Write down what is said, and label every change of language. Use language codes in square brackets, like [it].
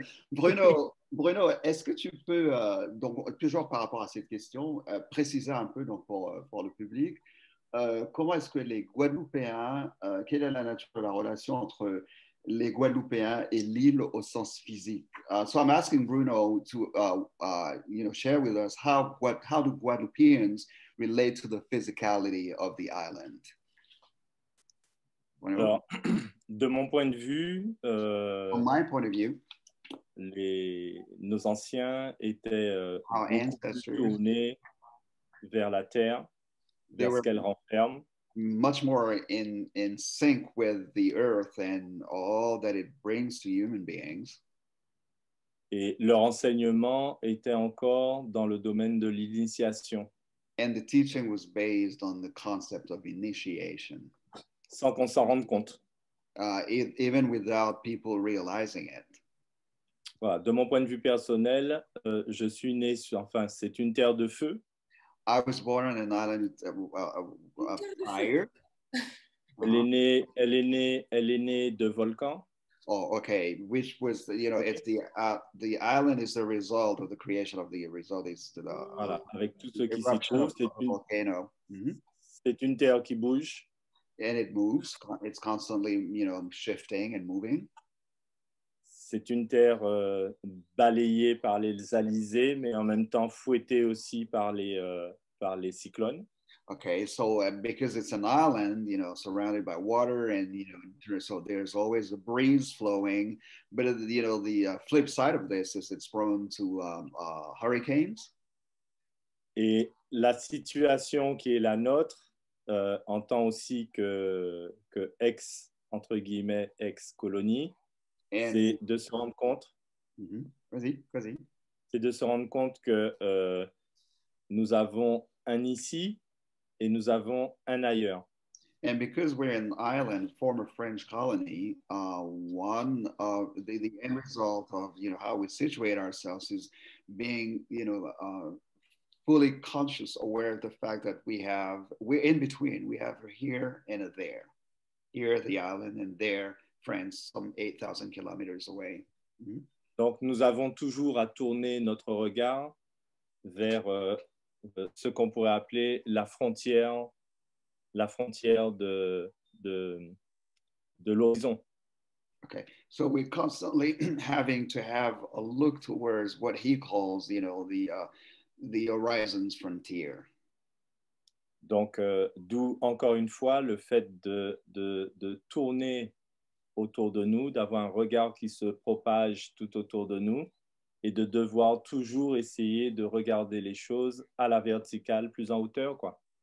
[fr] Bruno, est-ce que tu peux, donc, toujours par rapport à cette question, préciser un peu donc, pour le public, comment est-ce que les Guadeloupéens, quelle est la nature de la relation entre les Guadeloupéens et l'île au sens physique. [en] So I'm asking Bruno to share with us how do Guadeloupeans relate to the physicality of the island? [fr] Bruno. Alors, de mon point de vue, [en] from my point of view, [fr] nos anciens étaient tournés vers la terre, vers ce qu'elle renferme. [en] Much more in sync with the earth and all that it brings to human beings. [fr] Et leur enseignement était encore dans le domaine de l'initiation. [en] And the teaching was based on the concept of initiation. [fr] Sans qu'on s'en rende compte. [en] Even without people realizing it. [fr] Voilà. De mon point de vue personnel, je suis né sur, enfin, c'est une terre de feu. [en] I was born on an island of fire. [fr] Elle est née de volcan. [en] Oh, okay. Which was, you know, if the island is the result of the creation of the result is the. [fr] Voilà. Avec tout ce qui s'y trouve, c'est une [en] volcano. [fr] Mm-hmm. C'est une terre qui bouge. [en] And it moves. It's constantly, you know, shifting and moving. [fr] C'est une terre balayée par les alizés, mais en même temps fouettée aussi par les cyclones. [en] Okay, so because it's an island, you know, surrounded by water, and you know, so there's always a breeze flowing. But you know, the flip side of this is it's prone to hurricanes. [fr] Et la situation qui est la nôtre entend aussi que ex entre guillemets ex colonie. And c'est de se rendre compte. Mm-hmm. Vas-y. C'est de se rendre compte que nous avons un ici et nous avons un ailleurs. [en] And because we're in Ireland, former French colony, one of the end result of, you know, how we situate ourselves is being, you know, fully conscious, aware of the fact that we're in between. We have a here and a there. Here, the island, and there, France, some 8,000 kilometers away. Mm-hmm. [fr] Donc, nous avons toujours à tourner notre regard vers ce qu'on pourrait appeler la frontière de l'horizon. [en] Okay, so we're constantly having to have a look towards what he calls, you know, the horizon's frontier. [fr] Donc, d'où encore une fois le fait de tourner autour de nous, d'avoir un regard qui se propage tout autour de nous, et de devoir toujours essayer de regarder les choses à la verticale, plus en hauteur, quoi.